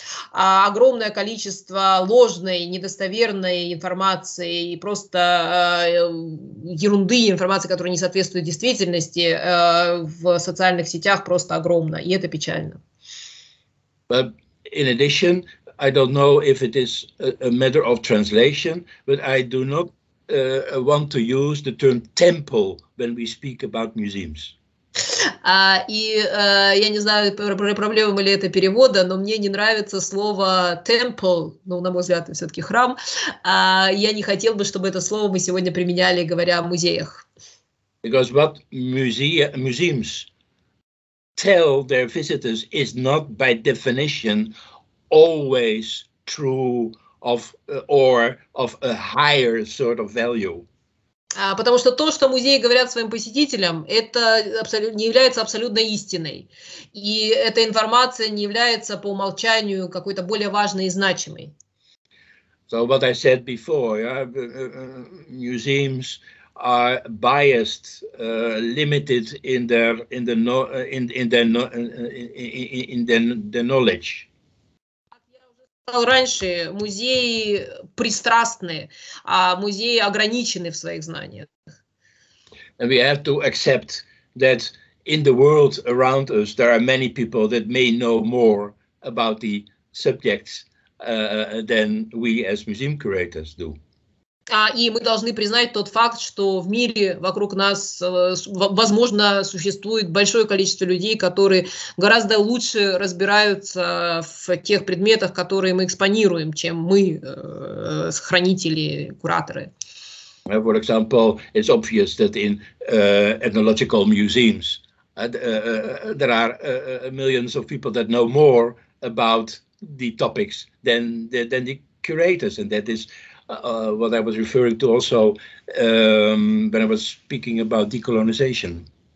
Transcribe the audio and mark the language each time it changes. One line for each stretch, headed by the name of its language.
Russian: Огромное количество ложной, недостоверной информации и просто ерунды, информации, которая не соответствует действительности, в социальных сетях просто огромно, и это печально.
English: I don't know if it is a matter of translation, but I do not want to use the term temple when we speak about museums.
Russian: И я не знаю, проблема ли это перевода, но мне не нравится слово temple, ну, на мой взгляд, это все-таки храм. Я не хотел бы, чтобы это слово мы сегодня применяли, говоря о музеях.
English: Because what museums tell their visitors is not by definition always true of or of a higher sort of value.
Russian: Потому что то, что музеи говорят своим посетителям, это не является абсолютно истиной. И эта информация не является по умолчанию какой-то более важной и значимой.
English: So what I said before, museums are biased, limited in their knowledge.
Russian: Раньше музеи пристрастны, а музеи ограничены в своих знаниях.
English: And we have to accept that in the world around us there are many people that may know more about the subjects than we as museum curators do.
Russian: И мы должны признать тот факт, что в мире вокруг нас, возможно, существует большое количество людей, которые гораздо лучше разбираются в тех предметах, которые мы экспонируем, чем мы, хранители, кураторы.
English: For example, it's obvious that in ethnological museums there are millions of people that know more about the topics than the curators, and that is what I was referring to also when I was speaking about decolonization.